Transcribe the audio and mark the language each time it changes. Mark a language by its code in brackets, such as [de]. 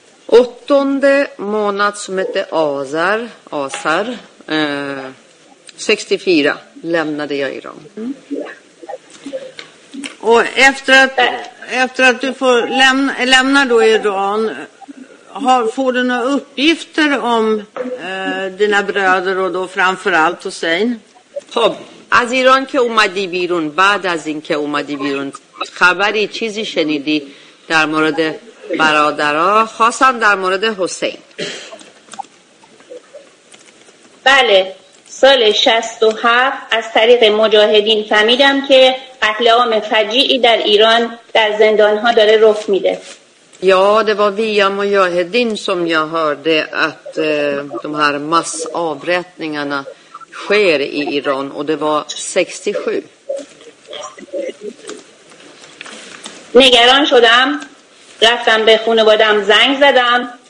[sv] 8:e månad som heter Azar 64 lämnade jag Iran. Mm. Och efter att du får lämna då Iran, får du några uppgifter om dina bröder och då framförallt Hussein? [fa] خب از ایران که اومدی بیرون بعد از اینکه اومدی بیرون خبری چیزی شنیدی در مورد برادرها خاصا در مورد حسین؟ بله، سال 67 از طریق مجاهدین فهمیدم که قتل عام فجیعی در ایران در زندان‌ها داره رخ میده. [sv] Ja, det var via mujahedin som jag hörde att de här massavrättningarna sker i Iran och det var 67. [fa] نگران شدم، رفتم به خانواده‌ام زنگ زدم.